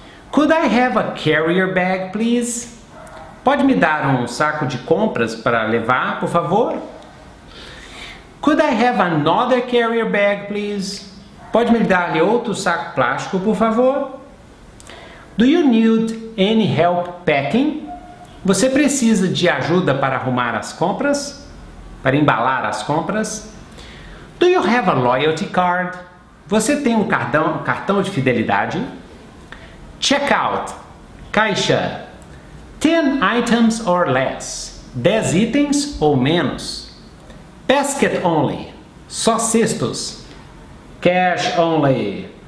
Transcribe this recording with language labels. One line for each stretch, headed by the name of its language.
English: Could I have a carrier bag, please?
Portuguese: Pode me dar um saco de compras para levar, por favor?
English: Could I have another carrier bag, please?
Portuguese: Pode me dar-lhe outro saco plástico, por favor?
English: Do you need any help packing?
Portuguese: Você precisa de ajuda para arrumar as compras? Para embalar as compras.
English: Do you have a loyalty card?
Portuguese: Você tem um cartão de fidelidade?
English: Check out.
Portuguese: Caixa.
English: 10 items or less.
Portuguese: 10 itens ou menos.
English: Basket only.
Portuguese: Só cestos.
English: Cash only.